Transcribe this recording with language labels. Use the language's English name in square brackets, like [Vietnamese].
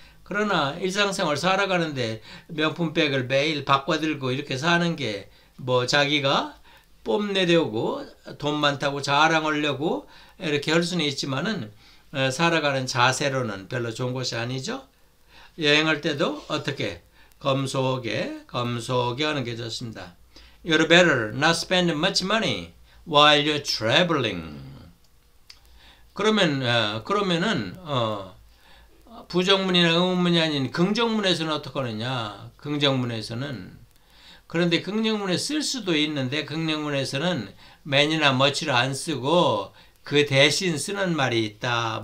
[Korean] 그러나 일상생활 살아가는데 명품백을 매일 바꿔들고 이렇게 사는 게 뭐 자기가 뽐내려고 돈 많다고 자랑하려고 이렇게 할 수는 있지만은 살아가는 자세로는 별로 좋은 것이 아니죠. 여행할 때도 어떻게 검소하게 하는 게 좋습니다. [English] You're better not spend much money while you're traveling. [Korean] 그러면은 부정문이나 의문문이 아닌 긍정문에서는 어떻게 하느냐? 긍정문에서는 그런데 긍정문에 쓸 수도 있는데 긍정문에서는 many나 much를 안 쓰고 그 대신 쓰는 말이 있다.